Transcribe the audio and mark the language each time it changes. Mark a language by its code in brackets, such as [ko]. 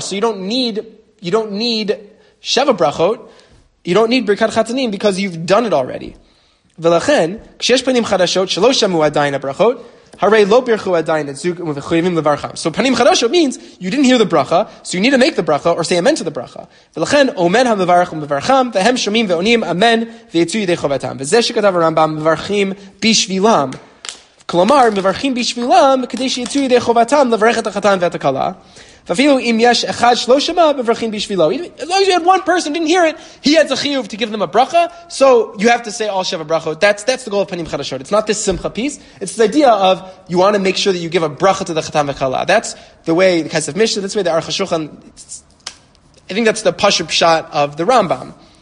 [en] So you don't need sheva brachot, you don't need birkat chatanim, because you've done it already. [he] ולכן, כשיש פנים חדשות שלא שמעו עדיין הברכות, הרי לא בירכו עדיין את זוג ומחויבים לברכם. [en] So פנים חדשות means you didn't hear the bracha, so you need to make the bracha or say amen to the bracha. [he] ולכן, אומן המברך ומברכם, והם שומעים ועונים אמן ויצאו ידי חובתם. וזה שכתב הרמב״ם, מברכים בשבילם. כלומר, מברכים בשבילם כדי שיצאו ידי חובתם לברך את החתן ואת הכלה. ואפילו אם יש אחד שלא שמע, מברכים בשבילו. [en] As long as you had one person didn't hear it, he had a chiyuv to give them a bracha, so you have to say all sheva brachot. That's the goal of panim chadashot. It's not this simcha piece. It's the idea of you want to make sure that you give a bracha to the chatan v'chala. That's the way the Kesef Mishnah, that's the way the Aruch HaShulchan, I think that's the pashur pshat of the Rambam.